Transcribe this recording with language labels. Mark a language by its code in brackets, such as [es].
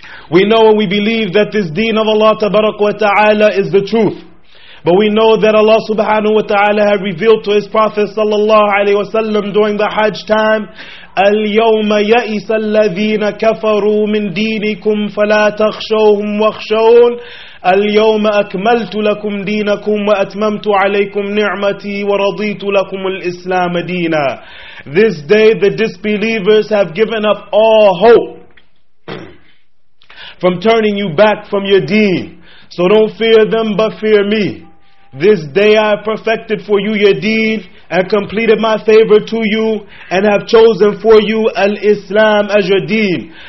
[en] We know and we believe that this deen of Allah tabarak wa ta'ala is the truth. But we know that Allah subhanahu wa ta'ala had revealed to His Prophet sallallahu alayhi wa sallam during the Hajj time, [ar] al-yawma ya'isa alladhina kafaru min deenikum fala takhshawhum wakhshawun. اليوم أكملت لكم دينكم وأتممت عليكم نعمتي ورضيت لكم الإسلام دينا. [en] This day the disbelievers have given up all hope from turning you back from your deen. So don't fear them, but fear me. This day I have perfected for you your deen, and completed my favor to you, and have chosen for you al-Islam as your deen.